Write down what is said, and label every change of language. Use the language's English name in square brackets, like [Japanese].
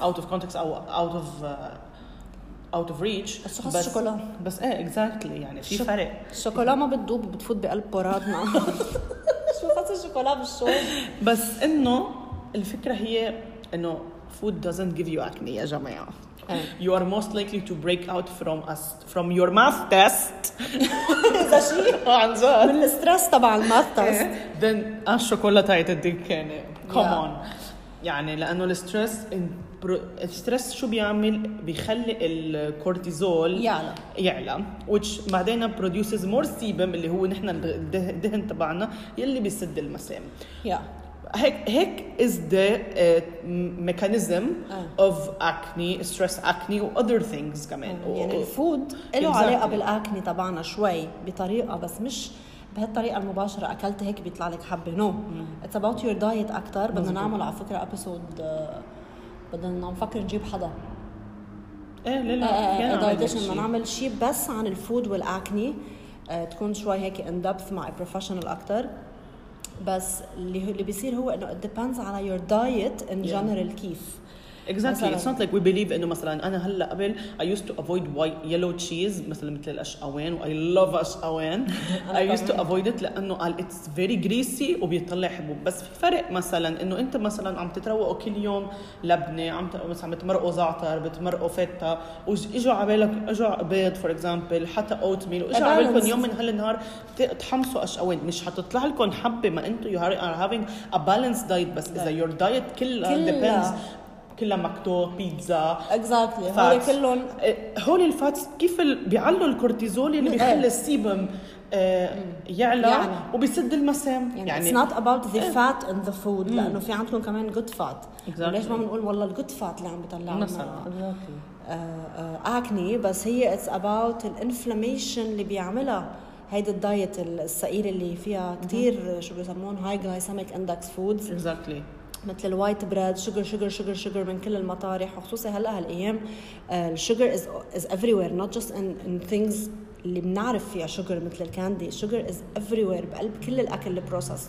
[English] Out of context أو out of reach. [Arabic] بس حس شوكولا بس ايه exactly, يعني في فرق. شوكولا ما بتدوب بتفوت بقلب براتنا شو حس الشوكولا بالشوب. بس انه الفكرة هي انه [English] food doesn't give you acne [Arabic] يا جماعة. [English] You are most likely to break out from us from your math test [Arabic] اذا شيء عن جد من الستريس تبع الماث تست then الشوكولا تاعت الدكانة [English] come on, [Arabic] يعني لانه الستريس الستريس شو بيعمل, بيخلي الكورتيزول يعلى which بعدين [English] produces more sebum [Arabic] اللي هو نحن الدهن تبعنا يلي بيسد المسام. [English] هيك is the mechanism of acne, stress acne و other things كمان. [Arabic] يعني الفود له exactly. علاقة بالأكني تبعنا شوي بطريقة, بس مش بهالطريقة المباشرة أكلت هيك بيطلع لك حبة. [English] No it's about your diet أكتر. [Arabic] بدنا نعمل على فكرة episode, بدنا نفكر نجيب حدا ايه لا ما نعمل شيء بس عن الفود والأكني, تكون شوي هيك [English] in depth [Arabic] مع professional أكتر. بس اللي بيصير هو انه [English] it depends [Arabic] على [English] your diet in general [Arabic] كيف [English] exactly. It's not like we believe [Arabic] انه مثلا انا هلا قبل [English] I used to avoid white yellow cheese [Arabic] مثل الأشقوان, [English] I love أشقوان I used to avoid it [Arabic] لانه قال [English] it's very greasy [Arabic] وبيطلع حبوب. بس في فرق مثلا انه انت مثلا عم تتروقوا كل يوم لبنة, عم مثلا بتمرقوا زعتر بتمرقوا فتة, واجوا عبالك اجوا بيض [English] for example [Arabic] حتى اوت ميل, واجوا عبالكم يوم من هالنهار تحمصوا أشقوان, مش حتطلع لكم حبة. ما انتو [English] you are having a balanced diet, [Arabic] بس اذا [English] your diet كلها depends [Arabic] كلها مكتوب بيتزا exactly. هول كلهم هول الفاتس كيف بيعلوا الكورتيزول اللي بيخلي السيبم يعلى وبيسد المسام. [English] يعني it's not about the fat in the food [Arabic] لأنه في عندكم كمان [English] good fat exactly. [Arabic] ليش ما بنقول والله الgood fat اللي عم بيطلعنا أكني, بس هي [English] it's about [Arabic] الانفلاميشن اللي بيعملها هيدا الدايت السقيلة اللي فيها كتير شو بيسمون [English] high glycemic index foods exactly. [Arabic] مثل الوايت بريد, شجر شجر شجر شجر من كل المطارح, وخصوصا هلا هالايام الشجر [English] is everywhere, not just in things [Arabic] اللي بنعرف فيها شجر مثل الكاندي, شجر از ايفريوير بقلب كل الاكل البروسيس.